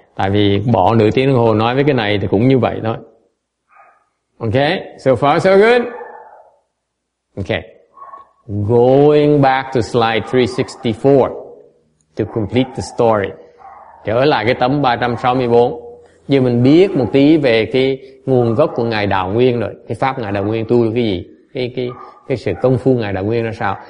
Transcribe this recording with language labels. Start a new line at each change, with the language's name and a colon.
Vietnamese: Tại vì bỏ nửa tiếng đồng hồ nói với cái này thì cũng như vậy thôi.
English: Okay, so far so good. Okay, going back to slide 364 to complete the story.
Vietnamese: Trở lại cái tấm 364. Giờ mình biết một tí về cái nguồn gốc của ngài Đạo Nguyên rồi, cái pháp ngài Đạo Nguyên tu được cái gì, cái sự công phu ngài Đạo Nguyên là sao.